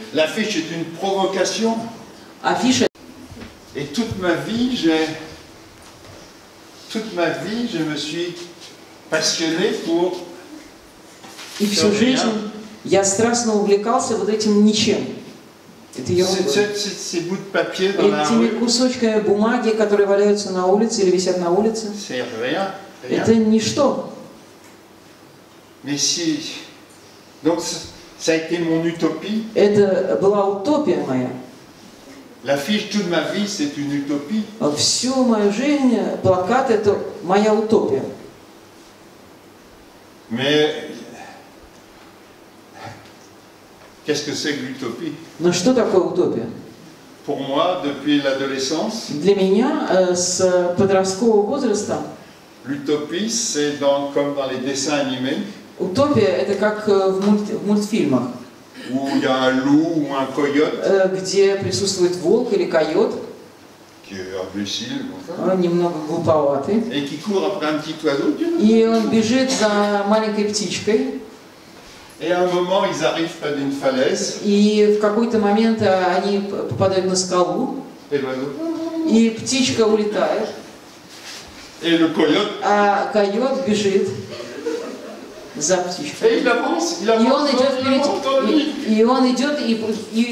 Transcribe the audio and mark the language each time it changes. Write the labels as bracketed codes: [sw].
[fr] L'affiche est une provocation. [ru] Афиша. [fr] Et toute ma vie, j'ai Toute ma vie, je me suis passionné pour. [ru] И всю жизнь я страстно увлекался вот этим ничем. [fr] Ces bouts de papier dans la rue. [ru] Этими кусочками бумаги, которые валяются на улице или висят на улице. [fr] C'est rien. [ru] Это ничто. [fr] Mais si, donc ça a été mon utopie. [ru] Это была утопия моя. [fr] L'affiche toute ma vie, c'est une utopie. [ru] Всю мою жизнь плакат – это моя утопия. [fr] Mais qu'est-ce que c'est que l'utopie? [ru] Но что такое утопия? [fr] Pour moi, depuis l'adolescence. [ru] Для меня с подросткового возраста. [fr] L'utopie, c'est dans comme dans les dessins animés. [ru] Утопия – это как в мультфильмах. [fr] Où il y a un loup ou un coyote. [ru] Где присутствует волк или койот. [fr] Qui est imbécile. [ru] Он немного глуповатый. [fr] Et qui court après un petit oiseau. [ru] И он бежит за маленькой птичкой. [fr] Et à un moment, ils arrivent près d'une falaise. [ru] И в какой-то момент они попадают на скалу. И птичка улетает. [fr] Et le coyote. [ru] А койот бежит за птичкой. И он идет и